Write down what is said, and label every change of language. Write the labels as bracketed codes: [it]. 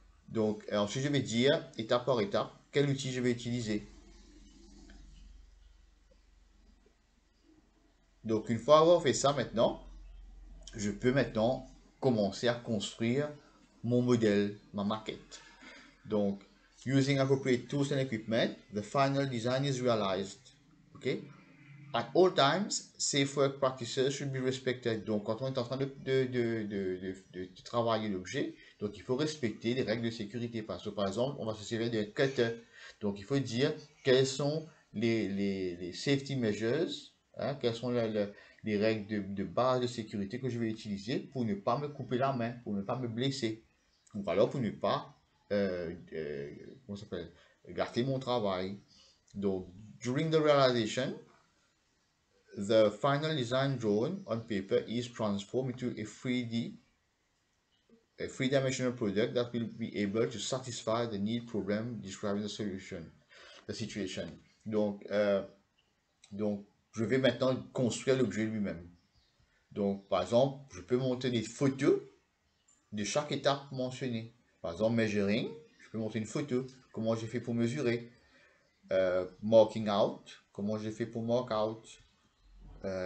[fr] Donc ensuite, je vais dire étape par étape quel outil je vais utiliser. Donc une fois avoir fait ça maintenant, je peux maintenant commencer à construire mon modèle, ma maquette. Donc [en] using appropriate tools and equipment, the final design is realized. OK? At all times, safe work practices should be respected. [fr] Donc, quand on est en train de travailler l'objet, donc il faut respecter les règles de sécurité. Parce que, par exemple, on va se servir d'un cutter. Donc, il faut dire quelles sont les [en] safety measures [fr] Hein, quelles sont les règles de base de sécurité que je vais utiliser pour ne pas me couper la main, pour ne pas me blesser, ou alors pour ne pas comment ça s'appelle, gâter mon travail. Donc, [en] during the realization, the final design drawn on paper is transformed into a three-dimensional product that will be able to satisfy the need problem describing the solution, the situation. [fr] Donc, je vais maintenant construire l'objet lui-même. Donc, par exemple, je peux monter des photos de chaque étape mentionnée. Par exemple, measuring, je peux monter une photo. Comment j'ai fait pour mesurer? [en] Marking out, [fr] comment j'ai fait pour [en] mark out?